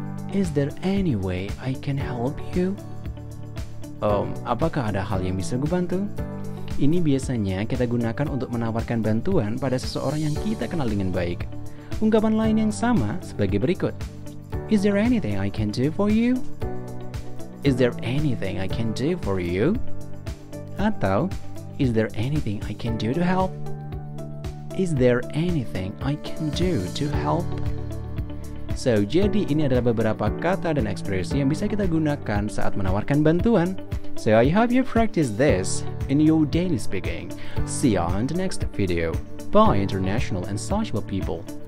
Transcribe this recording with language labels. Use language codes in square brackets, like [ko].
[en] Is there any way I can help you? [id] Apakah ada hal yang bisa gue bantu? Ini biasanya kita gunakan untuk menawarkan bantuan pada seseorang yang kita kenal dengan baik. Ungkapan lain yang sama sebagai berikut. [en] Is there anything I can do for you? Is there anything I can do for you? Atau, is there anything I can do to help? Is there anything I can do to help? [id] Jadi ini adalah beberapa kata dan ekspresi yang bisa kita gunakan saat menawarkan bantuan. [en] So, I hope you practice this in your daily speaking. See you on the next video. Bye, international and sociable people.